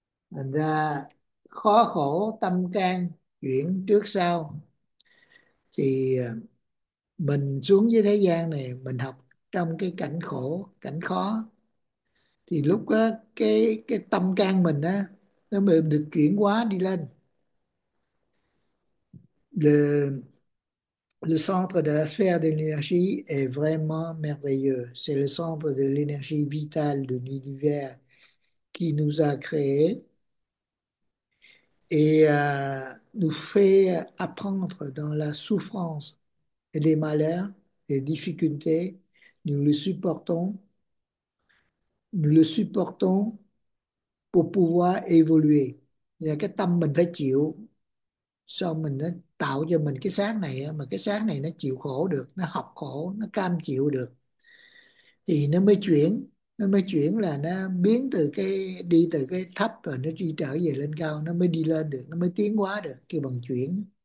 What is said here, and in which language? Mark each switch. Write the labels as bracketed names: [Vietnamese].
[Vietnamese] Thành ra khó khổ tâm can chuyển trước sau, thì mình xuống với thế gian này mình học trong cái cảnh khổ cảnh khó, thì lúc đó, cái tâm can mình á nó mới được chuyển hóa đi lên. [French] Le centre de la sphère de l'énergie est vraiment merveilleux. C'est le centre de l'énergie vitale de l'univers qui nous a créés et nous fait apprendre dans la souffrance et les malheurs, les difficultés. Nous le supportons pour pouvoir évoluer. [Vietnamese] Là cái tâm mình phải chịu, sao mình nó tạo cho mình cái xác này, mà cái xác này nó chịu khổ được, nó học khổ, nó cam chịu được, thì nó mới chuyển là nó biến từ cái đi từ cái thấp rồi nó đi trở về lên cao, nó mới đi lên được, nó mới tiến hóa được, kêu bằng chuyển.